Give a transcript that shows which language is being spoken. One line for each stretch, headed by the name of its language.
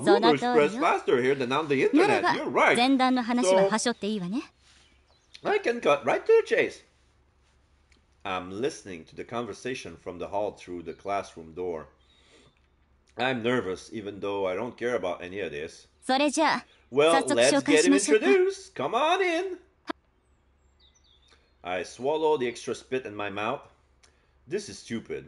English: rumors spread faster here than on the internet.
Japanese: ならば、前段の話ははしょっていいわね。
English: I can cut right to the chase. I'm listening to the conversation from the hall through the classroom door. I'm nervous, even though I don't care about any of this.
Japanese: それじゃ、
English: well, let's get him introduced. Come on in. I swallow the extra spit in my mouth. This is stupid.